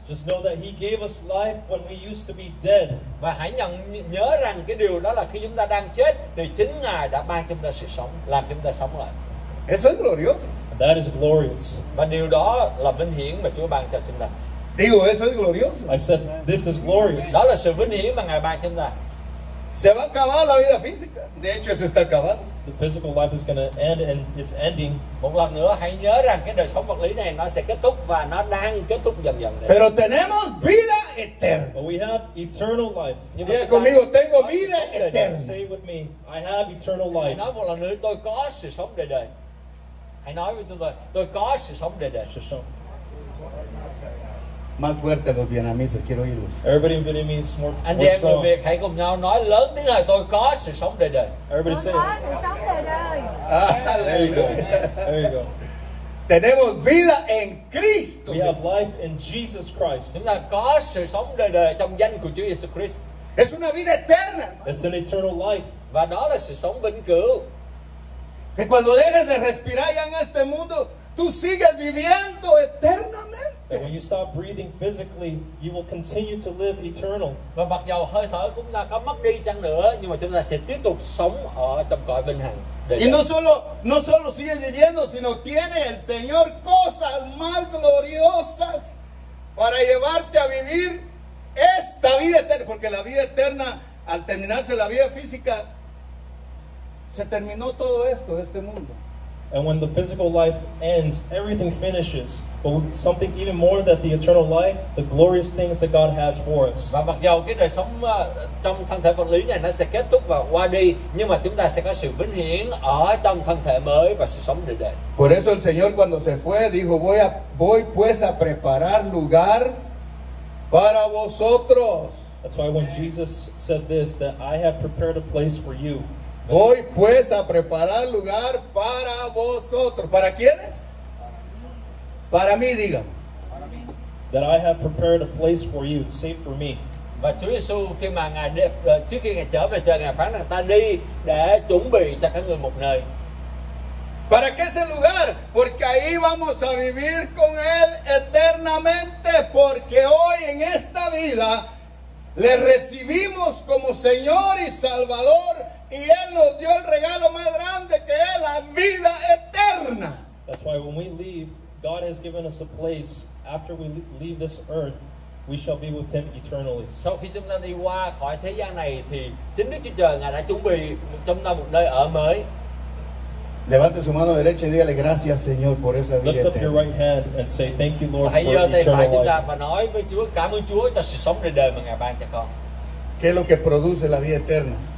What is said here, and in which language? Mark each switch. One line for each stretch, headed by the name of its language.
English: Just know that he gave us life when we used to be dead.
Vietnamese: Và hãy nhớ rằng cái điều đó là khi chúng ta đang chết thì chính Ngài đã ban chúng ta sự sống, làm chúng ta sống lại.
Spanish: Eso es glorioso.
English: That is glorious.
Vietnamese: Và điều đó là vinh hiển mà Chúa ban cho chúng ta.
Spanish: Digo, eso es glorioso.
English: I said, this is glorious.
Vietnamese: Đó là sự vinh hiển mà Ngài ban chúng ta.
Spanish: Se va a acabar la vida física. De hecho, se está acabando.
English: The physical life is going to end and it's ending.
Vietnamese: Một lần nữa hãy nhớ rằng cái đời sống vật lý này nó sẽ kết thúc và nó đang kết thúc dần dần.
Spanish: Pero tenemos vida eterna.
English: But we have eternal life.
Spanish: Yeah, yeah, conmigo tengo vida eterna.
English: Say with me, I have eternal life.
Vietnamese: Nói một lần nữa, tôi có sự sống đời đời. Hãy nói với tôi có sự sống đời đời. Sự sống.
Spanish: Más fuerte los vietnamitas, quiero oírlos.
English: Everybody in Vietnamese, more strong.
Vietnamese: Anh em người Việt hãy cùng nhau nói lớn tiếng hơn, tôi có sự sống đời đời.
English: Everybody say it.
Vietnamese: Tôi có sự sống đời đời.
English: There you go. There you go.
Spanish: Tenemos vida en Cristo.
English: We have life in Jesus Christ.
Vietnamese: Chúng ta có sự sống đời đời trong danh của Chúa Jesus Christ.
Spanish: Es una vida eterna.
English: It's an eternal life.
Vietnamese: Và đó là sự sống vĩnh cửu.
Spanish: Que cuando dejes de respirar ya en este mundo, tú sigues viviendo eternamente.
English: That when you stop breathing physically, you will continue to live eternal.
Vietnamese: Và mặc dù hơi thở cũng là có mất đi chăng nữa, nhưng mà chúng ta sẽ tiếp tục sống ở trong cõi vinh hằng.
Spanish: Y no solo sigue viviendo, sino tiene el Señor cosas más gloriosas para llevarte a vivir esta vida eterna. Porque la vida eterna, al terminarse la vida física, se terminó todo esto, este mundo.
English: And when the physical life ends, everything finishes. But something even more that the eternal life, the glorious things that God has for us.
Vietnamese: Và mặc dù cái đời sống trong thân thể vật lý này nó sẽ kết thúc và qua đi, nhưng mà chúng ta sẽ có sự vinh hiển ở trong thân thể mới và sự sống đời đời.
Spanish: Por eso el Señor cuando se fue dijo, voy pues a preparar lugar para vosotros.
English: That's why when Jesus said this, that I have prepared a place for you.
Spanish: Voy pues a preparar lugar para vosotros. ¿Para quiénes? Para mí, diga.
English: That I have prepared a place for you, safe for me.
Vietnamese: Và Chúa Giêsu khi mà ngài trước khi ngài trở về trời, ngài phán rằng ta đi để chuẩn bị cho các người một nơi.
Spanish: Para que ese lugar, porque ahí vamos a vivir con él eternamente, porque hoy en esta vida le recibimos como Señor y Salvador, y él nos dio el regalo más grande que es la vida eterna.
English: That's why when we leave, God has given us a place. After we leave this earth, we shall be with him eternally.
Vietnamese: Sau khi chúng ta đi qua khỏi thế gian này thì chính Đức Chúa Trời ngài đã chuẩn bị chúng ta một nơi ở mới.
Spanish: Levante su mano derecha y dígale gracias, Señor, por esa vida eterna.
English: Lift up your right hand and say thank you, Lord, for eternal life.
Vietnamese: Hãy giơ tay phải chúng ta và nói với Chúa, cảm ơn Chúa cho sự sống đời đời mà ngài ban cho con.
Spanish: ¿Qué es lo que produce la vida eterna?